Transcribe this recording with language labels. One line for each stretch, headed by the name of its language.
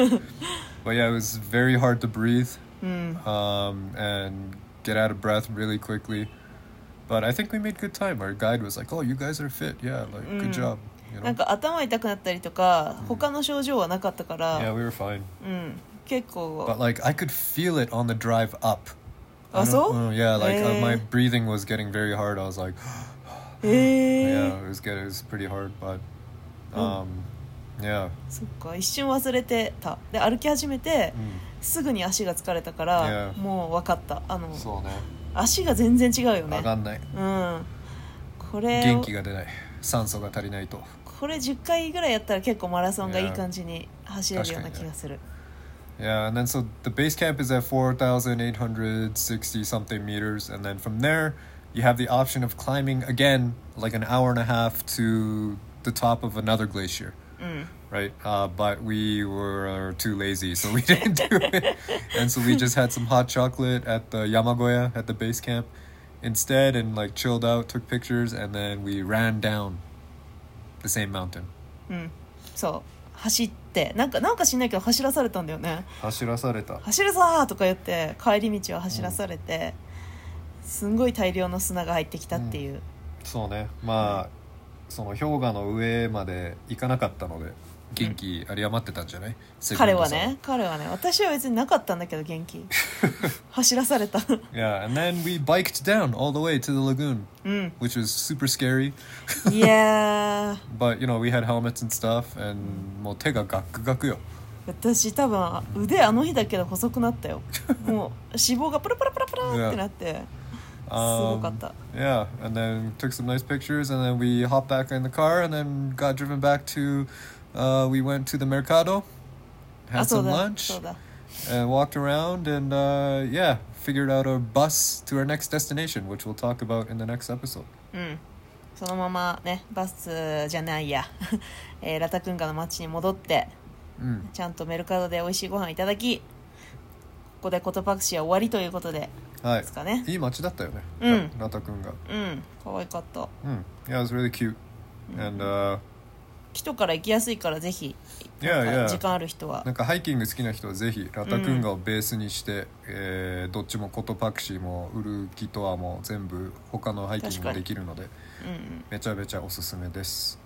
English: But yeah, it was very hard to breathe, and get out of breath really quickly. But I think we made good time. Our guide was like, oh, you guys are fit. Yeah, like, good job. You know?
Japanese: なんか頭痛くなったりとか、他の症状はなかったから。
English: Yeah, we were fine.
Japanese: 結構。
English: But like, I could feel it on the drive up.
Japanese: あ、そう？
English: Yeah, like, my breathing was getting very hard. I was like... Yeah, it was good. It was pretty hard, but yeah.
Japanese: そっか、一瞬忘れてた。で、歩き始めて、すぐに足が疲れたから、もう分かった。あの、そうね。足が全然違うよね。分かんない。これ元気が出ない。酸素が足りないと。これ10回ぐらいやったら結構マラソンがいい感じに走れるような気がする。
English: Yeah, and then so the base camp is at 4,860 something meters, and then from there. You have the option of climbing again, like an hour and a half to the top of another glacier, right? But we were too lazy, so we didn't do it. And so we just had some hot chocolate at the Yamagoya, at the base camp, instead, and like chilled out, took pictures, and then we ran down the same mountain. So,
Japanese: 走って、なんか知んないけど走らされたんだよね。走らされた、走るぞーとか言って帰り道を走らされて、うん、すんごい大量の砂が入ってきたっていう、うん、そうね。まあ、うん、その氷河の上まで行かなかったので元気あり余ってたんじゃない、うん、彼はね。私は別になかったんだけど元気走らされた。
English: Yeah, and then we biked down all the way to the lagoon、うん、 which was super scary. Yeah. But you know, we had helmets and stuff, and
Japanese: もう手がガクガクよ。私多分腕あの日だけど細くなったよ。もう脂肪がプラプラプラプラってなって、 yeah. すごかった。
English: Yeah, and then took some nice pictures, and then we hopped back in the car, and then got driven back to we went to the mercado, had some lunch, and walked around, and yeah, figured out our bus to our next destination, which we'll talk about in the next episode.
Japanese: うん、そのままね、バスじゃないや、ラタクンガの町に戻って、うん、ちゃんとメルカドで美味しいご飯いただき、ここでコトパクシア終わりということで、はい、ですかね。いい町だったよね、うん、ラタクンガ。うん、可愛かった。
English: うん、yeah, it was really cute, and、うん、
Japanese: 人から行きやすいからぜひ、時間ある人は、なんかハイキング好きな人はぜひラタクンガをベースにして、うん、どっちもコトパクシーもウルキトアも全部他のハイキングもできるので、うんうん、めちゃめちゃおすすめです。